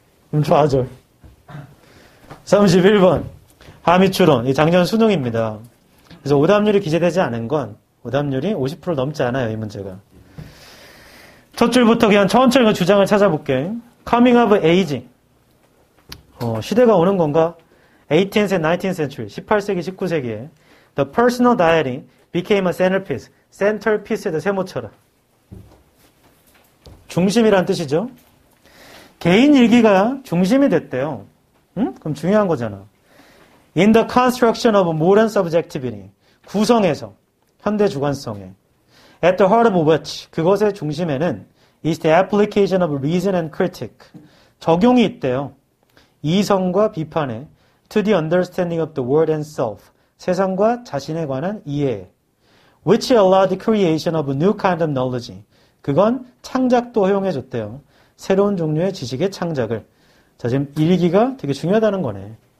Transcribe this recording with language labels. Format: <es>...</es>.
<ko>그럼 좌절. 31번. 하미추론. 이 작년 수능입니다. 그래서 오답률이 기재되지 않은 건 오답률이 50% 넘지 않아요, 이 문제가. 첫 줄부터 그냥 천천히 주장을 찾아볼게.</ko> <en>Coming of aging.</en> <ko>시대가 오는 건가?</ko> <en>18th and 19th century,</en> <ko>18세기, 19세기에</ko> <en>The personal diary became a centerpiece.</en> <ko>Centerpiece의 세모처럼. 중심이란 뜻이죠. 개인 일기가 중심이 됐대요. 응? 그럼 중요한 거잖아.</ko> <en>In the construction of modern subjectivity.</en> <ko>구성에서. 현대 주관성에.</ko> <en>At the heart of which,</en> <ko>그것의 중심에는</ko> <en>is the application of reason and critic.</en> <ko>적용이 있대요. 이성과 비판에</ko> <en>to the understanding of the world and self.</en> <ko>세상과 자신에 관한 이해에.</ko> <en>Which allowed the creation of a new kind of knowledge.</en> <ko>그건 창작도 허용해줬대요. 새로운 종류의 지식의 창작을. 자, 지금 일기가 되게 중요하다는 거네.</ko>